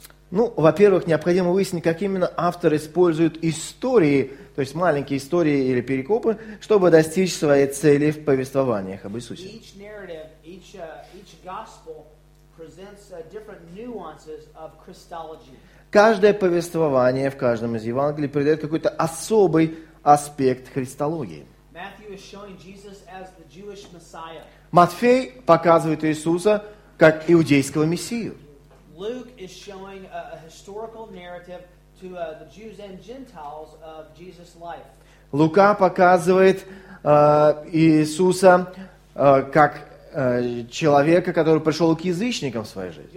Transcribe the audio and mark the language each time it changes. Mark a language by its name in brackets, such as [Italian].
[Russian] Ну, во-первых, необходимо выяснить, как именно автор использует истории, то есть маленькие истории или перекопы, чтобы достичь своей цели в повествованиях об Иисусе. [English] Each narrative, each gospel presents different nuances of Christology. [Russian] Каждое повествование в каждом из Евангелий придает какой-то особый аспект христологии. [English] Matthew is showing Jesus as the Jewish Messiah. [Russian] Матфей показывает Иисуса как иудейского мессию. [English] Luke is showing a historical narrative to the Jews and Gentiles of Jesus' life. [Russian] Лука показывает Иисуса как человека, который пришел к язычникам в своей